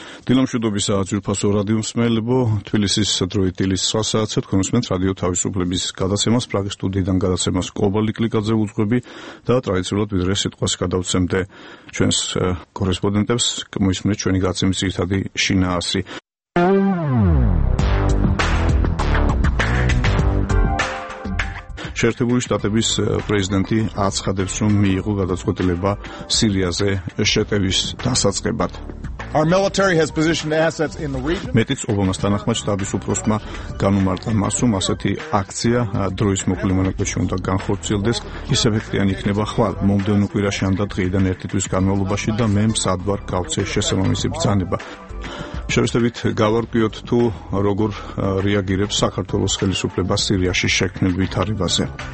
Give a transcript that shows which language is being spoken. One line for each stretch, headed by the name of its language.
Georgian: დილომშვიდობის საძვირფასო რადიომსმელებო, თბილისის დროით დილის 9 საათზე თქვენ უსმენთ რადიო თავისუფლების გადაცემას, პრაგის სტუდიიდან გადაცემას კობალი კლიკაძე უძღვები და ტრადიციულად ვიდრე სიტყვას გადავცემდე ჩვენს კორესპონდენტებს, მოისმინეთ ჩვენი გადაცემის ძირითადი შინაარსი. შეერთებული შტატების პრეზიდენტი აცხადებს, რომ მიიღო გადაწყვეტილება სირიაზე შეტევის დასაწყებად.
English: Our military has positioned assets in the region.
Georgian: მეტიც ობამას თანახმად შტაბის უფროსმა განუმარტა მას, რომ ასეთი აქცია დროის მოკლე მონაკვეთში უნდა განხორციელდეს, ის ეფექტიანი იქნება ხვალ მომდევნო კვირაში ამ და დღიდან ერთი თვის განმავლობაში და მე მსადვარ გავცე შესაბამისი ბრძანება. შეესაბამისად გავარკვიოთ თუ როგორ რეაგირებს საქართველოს ხელისუფლება სირიაში შექმნილ ვითარებაზე.